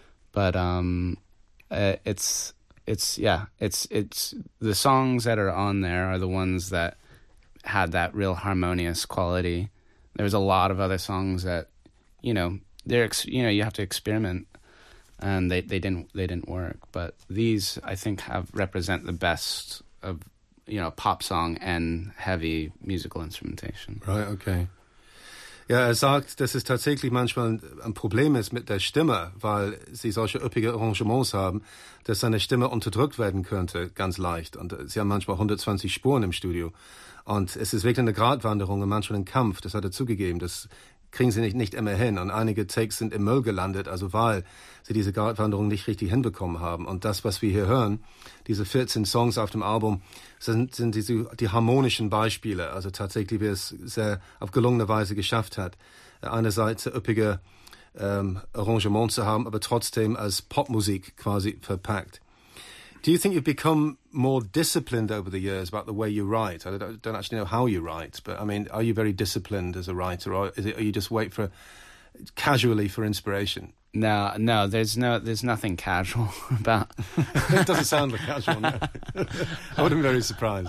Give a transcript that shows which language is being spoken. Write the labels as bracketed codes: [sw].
[en] But it's the songs that are on there are the ones that had that real harmonious quality. There's a lot of other songs that, you know, you have to experiment. And they didn't work, but these I think represent the best of, you know, pop song and heavy musical instrumentation. Right. Okay. [de] Ja, er sagt, dass es tatsächlich manchmal ein Problem ist mit der Stimme, weil sie solche üppige Arrangements haben, dass seine Stimme unterdrückt werden könnte, ganz leicht. Und sie haben manchmal 120 Spuren im Studio, und es ist wirklich eine Gratwanderung und manchmal ein Kampf. Das hat er zugegeben. Das kriegen sie nicht immer hin. Und einige Takes sind im Müll gelandet, also weil sie diese Gratwanderung nicht richtig hinbekommen haben. Und das, was wir hier hören, diese 14 Songs auf dem Album, sind die harmonischen Beispiele. Also tatsächlich, wie es sehr auf gelungene Weise geschafft hat, einerseits üppige Arrangements zu haben, aber trotzdem als Popmusik quasi verpackt. [en] Do you think you've become more disciplined over the years about the way you write? I don't actually know how you write, but I mean, are you very disciplined as a writer, or are you just wait casually for inspiration? No, there's nothing casual about. It doesn't sound like casual. No. I would be very surprised.